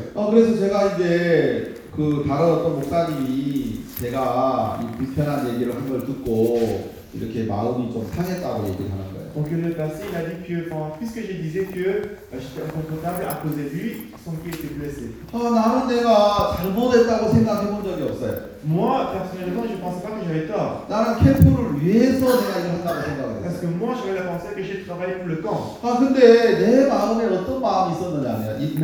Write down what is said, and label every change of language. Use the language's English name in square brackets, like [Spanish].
[Korean] 그래서 제가 이제 그 다른 어떤 목사님이 제가 이 불편한 얘기를 한 걸 듣고 이렇게 마음이 좀 상했다고 얘기를 하는 거예요. [French] Donc le passé, il a dit que, enfin, puisque je disais que j'étais inconfortable à cause de lui, son pied était blessé. [Korean] Ah, 나는 내가 잘못했다고 생각해본 적이 없어요. [French] Moi, personnellement, je ne pensais pas que j'avais tort. [Korean] 나는 캠프를 위해서 내가 이렇게 한다고 생각했어요. [French] Parce que moi, j'avais la pensée que j'ai travaillé pour le camp. [Korean] Ah, 근데 내 마음에 어떤 마음이 들었느냐면